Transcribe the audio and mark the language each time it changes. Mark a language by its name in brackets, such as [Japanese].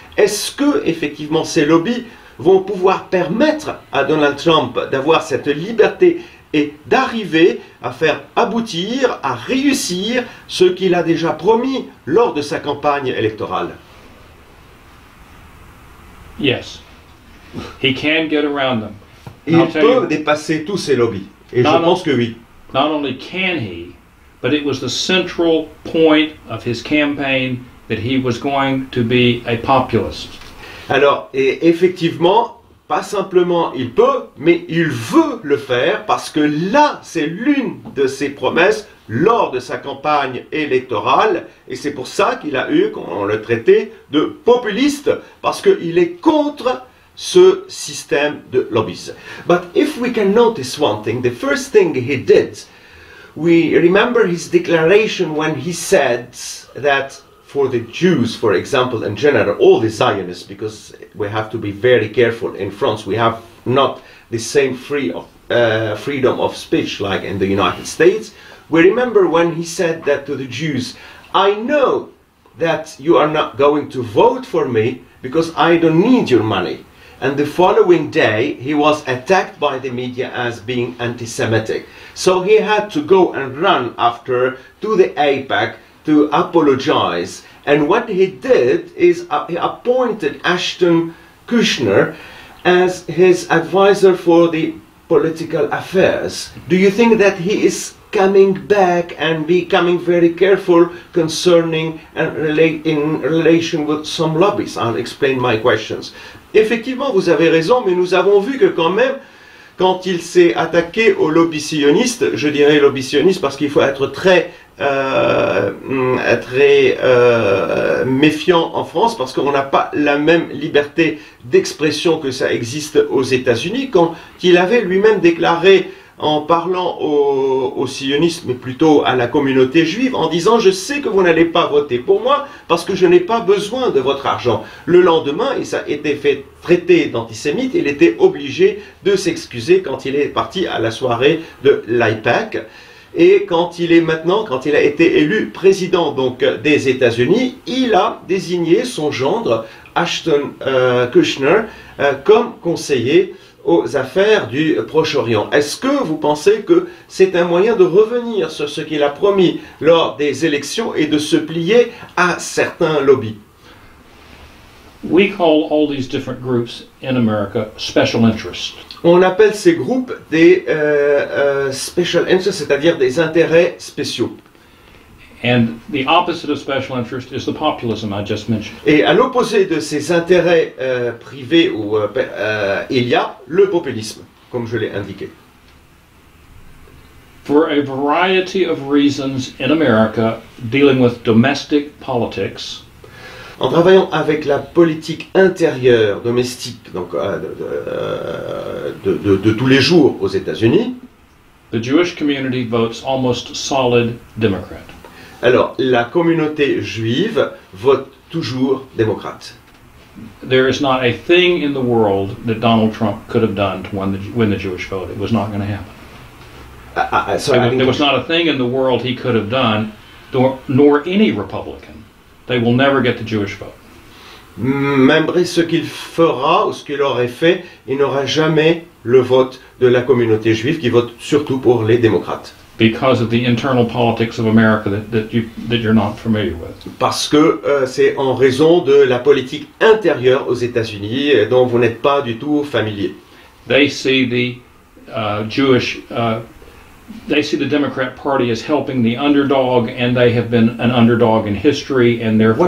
[French] Est-ce que effectivement ces lobbies vont pouvoir permettre à Donald Trump d'avoir cette liberté et d'arriver à faire aboutir, à réussir ce qu'il a déjà promis lors de sa campagne électorale? [English] Yes, he can get around them. [French] Il peut dépasser tous ces lobbies, et je pense que oui. [English] Not only can he, but it was the central point of his campaign that he was going to be a populist. [French] Alors, et effectivement, pas simplement il peut, mais il veut le faire, parce que là, c'est l'une de ses promesses lors de sa campagne électorale, et c'est pour ça qu'il a eu, qu'on le traitait, de populiste, parce qu'il est contre ce système de lobbies. [English] But if we can notice one thing, the first thing he did, we remember his declaration when he said that for the Jews, for example, in general, all the Zionists, because we have to be very careful, in France we have not the same freedom of speech like in the United States. We remember when he said that to the Jews, I know that you are not going to vote for me because I don't need your money. And the following day, he was attacked by the media as being anti-Semitic. So he had to go and run after to the AIPAC to apologize. And what he did is he appointed Ashton Kushner as his advisor for the political affairs. Do you think that he is coming back and becoming very careful concerning and in relation with some lobbies? I'll explain my questions. [French] Effectivement, vous avez raison, mais nous avons vu que quand même, quand il s'est attaqué au lobby sioniste, je dirais lobby sioniste parce qu'il faut être très méfiant en France parce qu'on n'a pas la même liberté d'expression que ça existe aux États-Unis, quand il avait lui-même déclaré en parlant au sionisme, mais plutôt à la communauté juive, en disant « Je sais que vous n'allez pas voter pour moi parce que je n'ai pas besoin de votre argent. » Le lendemain, il a été fait traiter d'antisémite, il était obligé de s'excuser quand il est parti à la soirée de l'AIPAC. Et quand il est maintenant, quand il a été élu président donc, des États-Unis, il a désigné son gendre, Ashton Kushner, comme conseiller aux affaires du Proche-Orient. Est-ce que vous pensez que c'est un moyen de revenir sur ce qu'il a promis lors des élections et de se plier à certains lobbies? [English] We call all these different groups in America special interest. [French] On appelle ces groupes des special interests, c'est-à-dire des intérêts spéciaux. [English] And the opposite of special interest is the populism I just mentioned. [French] Et à l'opposé de ces intérêts privés ou il y a le populisme, comme je l'ai indiqué. [English] For a variety of reasons in America dealing with domestic politics. [French] En travaillant avec la politique intérieure, domestique, donc de tous les jours aux États-Unis, [English] the Jewish community votes almost solid Democrat. [French] Alors, la communauté juive vote toujours démocrate. [English] There is not a thing in the world that Donald Trump could have done to win the Jewish vote. It was not going to happen. There was not a thing in the world he could have done, nor any Republican. They will never get the Jewish vote. [French] Même ce qu'il fera ou ce qu'il aurait fait, il n'aura jamais le vote de la communauté juive qui vote surtout pour les démocrates. [English] Because of the internal politics of America that you're not familiar with. [French] Parce que c'est en raison de la politique intérieure aux États-Unis dont vous n'êtes pas du tout familier. [English] They see the They see the Democrat Party as helping the underdog, and they have been an underdog in history, and therefore...